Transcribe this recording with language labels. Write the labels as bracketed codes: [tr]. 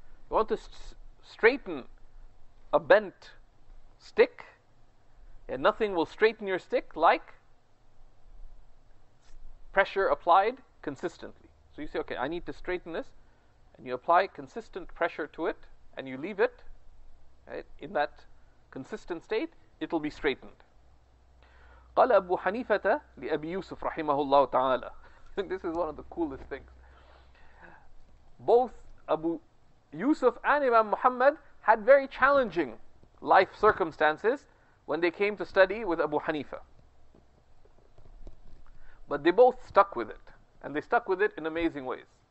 [en] You want to straighten a bent stick, and nothing will straighten your stick like pressure applied consistently. So you say, okay, I need to straighten this, and you apply consistent pressure to it, and you leave it, right, in that consistent state, it'll be straightened. [ar] قال أبو حنيفة لأبي يوسف رحمه الله تعالى. [en] This is one of the coolest things. Both Abu Yusuf and Imam Muhammad had very challenging life circumstances when they came to study with Abu Hanifa. But they both stuck with it. And they stuck with it in amazing ways.